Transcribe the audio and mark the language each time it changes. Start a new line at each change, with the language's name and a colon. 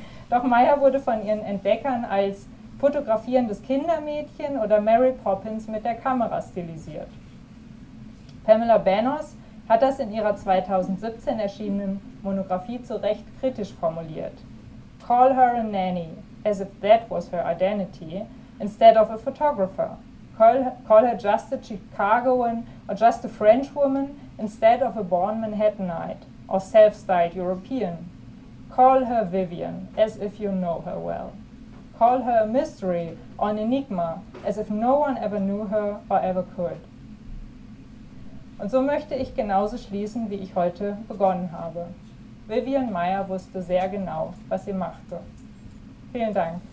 German: Doch Meyer wurde von ihren Entdeckern als fotografierendes Kindermädchen oder Mary Poppins mit der Kamera stilisiert. Pamela Banos hat das in ihrer 2017 erschienenen Monographie zu Recht kritisch formuliert.
English: Call her a nanny, as if that was her identity, instead of a photographer. Call her just a Chicagoan or just a French woman instead of a born Manhattanite or self-styled European. Call her Vivian as if you know her well. Call her a mystery or an enigma as if no one ever knew her or ever could.
German: Und so möchte ich genauso schließen, wie ich heute begonnen habe. Vivian Meyer wusste sehr genau, was sie machte. Vielen Dank.